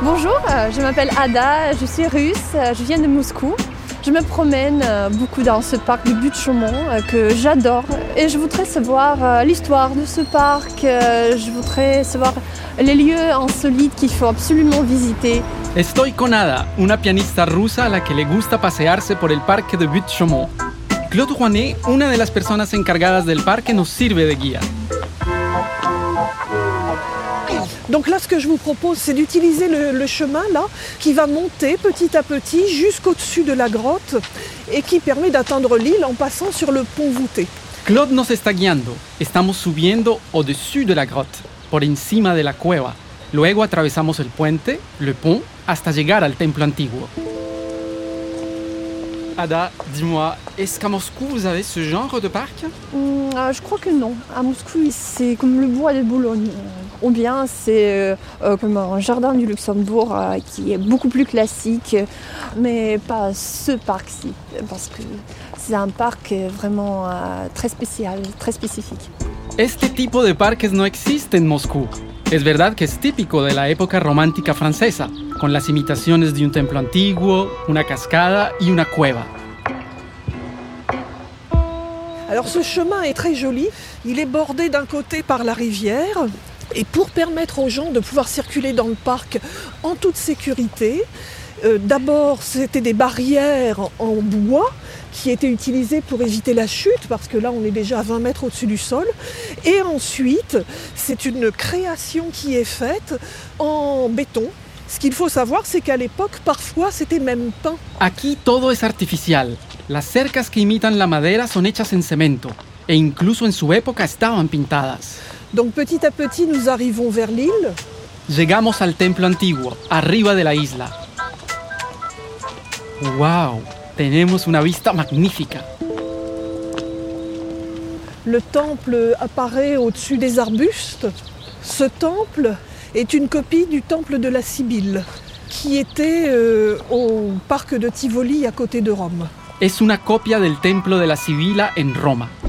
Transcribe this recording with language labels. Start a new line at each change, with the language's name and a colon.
French: Bonjour, je m'appelle Ada, je suis russe, je viens de Moscou. Je me promène beaucoup dans ce parc du Butte-Chaumont que j'adore. Et je voudrais savoir l'histoire de ce parc, je voudrais savoir les lieux insolites qu'il faut absolument visiter.
Spanish: Estoy con Ada, una pianista rusa a la que le gusta pasearse por el parque de Butte-Chaumont. Claude Juanet, una de las personas encargadas del parque, nos sirve de guía.
French: Donc là, ce que je vous propose, c'est d'utiliser le chemin là, qui va monter petit à petit jusqu'au-dessus de la grotte et qui permet d'atteindre l'île en passant sur le pont voûté.
Spanish: Claude nos está guiando. Estamos subiendo
French: au-dessus de la grotte,
Spanish: por encima de la cueva. Luego atravesamos el puente,
French: le pont,
Spanish: hasta llegar al templo antiguo.
French: Ada, dis-moi, est-ce qu'à Moscou, vous avez ce genre de parc ? Je crois que non. À Moscou, c'est comme le bois de Boulogne. Ou bien c'est comme un jardin du Luxembourg qui est beaucoup plus classique, mais pas ce parc-ci, parce que c'est un parc vraiment très spécial, très spécifique.
Spanish: Este tipo de parques no existe en Moscú. Es verdad que es típico de la época romántica francesa, con las imitaciones de un templo antiguo, una cascada y una cueva.
French: Alors ce chemin est très joli, il est bordé d'un côté par la rivière. Et pour permettre aux gens de pouvoir circuler dans le parc en toute sécurité, d'abord c'était des barrières en bois qui étaient utilisées pour éviter la chute, parce que là on est déjà à 20 mètres au-dessus du sol. Et ensuite, c'est une création qui est faite en béton. Ce qu'il faut savoir, c'est qu'à l'époque, parfois c'était même peint.
Spanish: Aquí todo es artificial. Las cercas que imitan la madera son hechas en cemento. E incluso en su época estaban pintadas.
French: Donc petit à petit, nous arrivons vers l'île.
Spanish: Llegamos al templo antiguo, arriba de la isla. Wow, tenemos una vista magnífica.
French: Le temple apparaît au-dessus des arbustes. Ce temple est une copie du temple de la Sibylle, qui était au parc de Tivoli à côté de Rome.
Spanish: Es una copia del templo de la Sibylla en Roma.